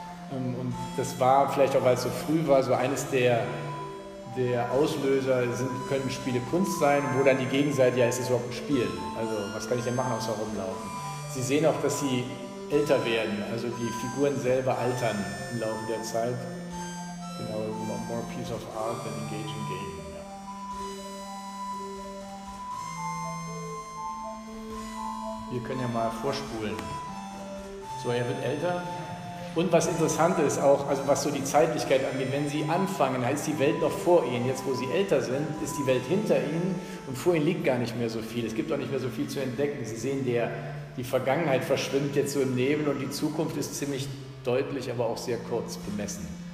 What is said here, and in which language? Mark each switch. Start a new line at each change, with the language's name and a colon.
German: Und das war vielleicht auch, weil es so früh war, so eines der Auslöser, können Spiele Kunst sein, wo dann die Gegenseite, ja, ist es überhaupt ein Spiel? Also, was kann ich denn machen, außer rumlaufen? Sie sehen auch, dass sie älter werden, also die Figuren selber altern im Laufe der Zeit.
English: Genau, more piece of art than engaging game.
German: Wir können ja mal vorspulen. So, er wird älter. Und was interessant ist auch, also was so die Zeitlichkeit angeht, wenn Sie anfangen, heißt die Welt noch vor Ihnen. Jetzt, wo Sie älter sind, ist die Welt hinter Ihnen und vor Ihnen liegt gar nicht mehr so viel. Es gibt auch nicht mehr so viel zu entdecken. Sie sehen, die Vergangenheit verschwimmt jetzt so im Nebel und die Zukunft ist ziemlich deutlich, aber auch sehr kurz bemessen.